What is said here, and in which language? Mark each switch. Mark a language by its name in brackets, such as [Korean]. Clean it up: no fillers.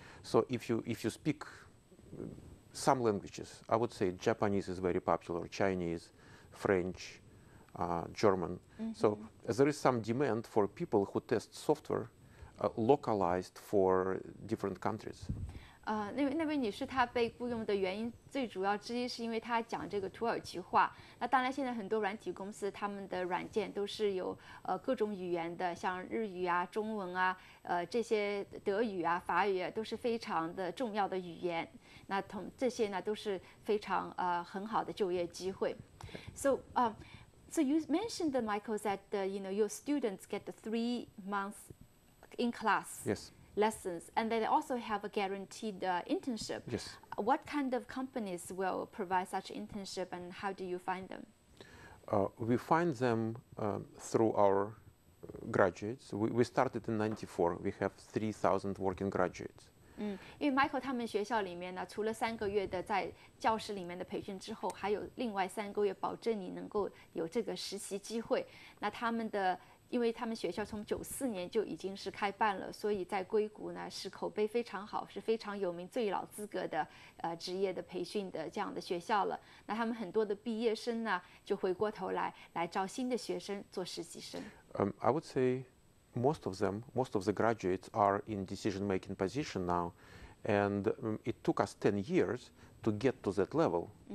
[English] So if you speak some languages, I would say Japanese is very popular, Chinese, French, German. So there is some demand for people who test software localized for different countries. [Chinese] 那位女士她被雇佣的原因最主要之一是因为她讲这个土耳其话。那当然现在很多软体公司他们的软件都是有各种语言的，像日语啊、中文啊、这些德语啊、法语啊都是非常的重要的语言。那同这些呢都是非常很好的就业机会。 [English] So you mentioned that Michael said that you know your students get the 3 months in class. Yes. lessons, and they also have a guaranteed internship. Yes. What kind of companies will provide such internship, and how do you find them? We find them through our graduates. We started in 94. We have 3,000 working graduates. [Chinese] 因为 Michael 他们学校里面呢，除了三个月的在教室里面的培训之后，还有另外三个月保证你能够有这个实习机会。那他们的，因为他们学校从94年就已经是开办了，所以在硅谷呢是口碑非常好，是非常有名最老资格的职业的培训的这样的学校了。那他们很多的毕业生呢就回过头来来招新的学生做实习生。 [English] I would say most of the graduates are in decision now. And it took us 10 years to get to that level.